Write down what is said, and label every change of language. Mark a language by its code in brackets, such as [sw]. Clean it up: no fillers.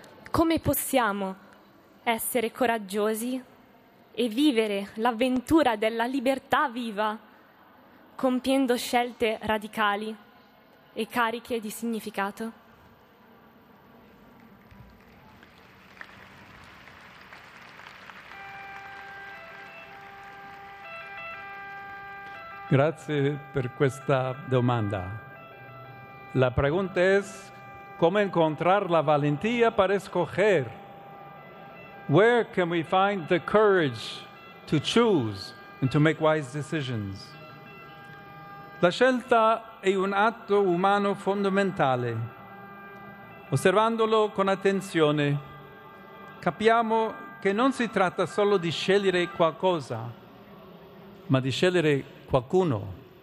[it] Come possiamo essere coraggiosi e vivere l'avventura della libertà viva, compiendo scelte radicali e cariche di significato? Grazie per questa domanda. [es] La pregunta es: ¿cómo encontrar la valentía para escoger? [en] Where can we find the courage to choose and to make wise decisions? [it] La scelta è un atto umano fondamentale. Osservandolo con attenzione, capiamo che non si tratta solo di scegliere qualcosa, ma di scegliere qualcuno.